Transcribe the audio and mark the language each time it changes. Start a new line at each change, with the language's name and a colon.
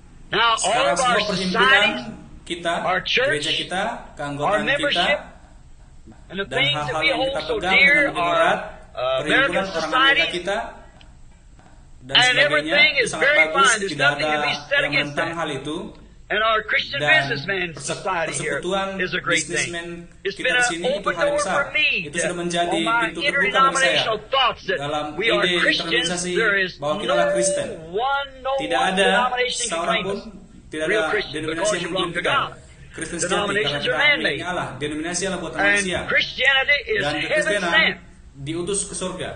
Indonesian: Sekarang semua perhimpunan kita, gereja kita, keanggotaan kita, dan hal-hal yang kita pegang dengan begitu erat, perhimpunan orang Amerika kita, dan sebagainya, itu sangat bagus, tidak ada yang menentang hal itu.
English: And our Christian businessman society here is a great thing. It's been an open door for me.
Indonesian: Itu sudah menjadi pintu terbuka bagi saya dalam ide internasionalisasi bahwa kita adalah Kristen. Tidak ada seorang pun, tidak ada denominasi yang mengklaimkan Kristen sejati karena kita milik Allah. Denominasi adalah buat manusia. Dan kekristenan diutus ke surga.